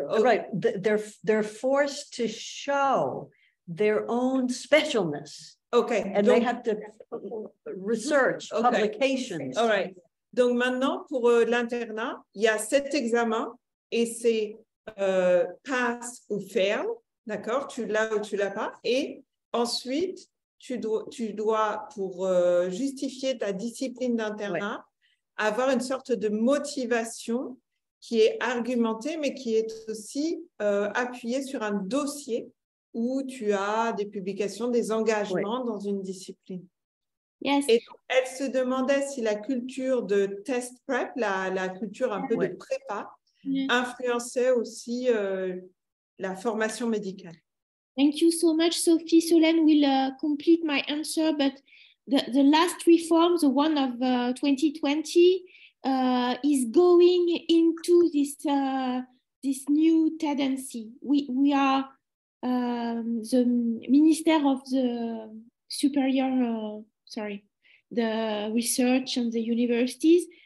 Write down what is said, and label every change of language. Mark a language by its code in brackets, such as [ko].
[en] Right, they're forced to show their own specialness. Okay. And they have to research publications. All right. [fr] Donc maintenant, pour l'internat, il y a cet examen et c'est pass ou fail. D'accord, tu l'as ou tu l'as pas. Et ensuite, tu dois pour justifier ta discipline d'internat, ouais, avoir une sorte de motivation qui est argumentée, mais qui est aussi appuyée sur un dossier où tu as des publications, des engagements, ouais, dans une discipline. [en] Yes. [fr] Et elle se demandait si la culture de test prep, la culture un peu, ouais, de prépa, ouais, influençait aussi la formation médicale. [en] Thank you so much, Sophie. Solène will complete my answer, but the last reform, the one of 2020, is going into this new tendency. We are the Minister of the Superior, the research and the universities.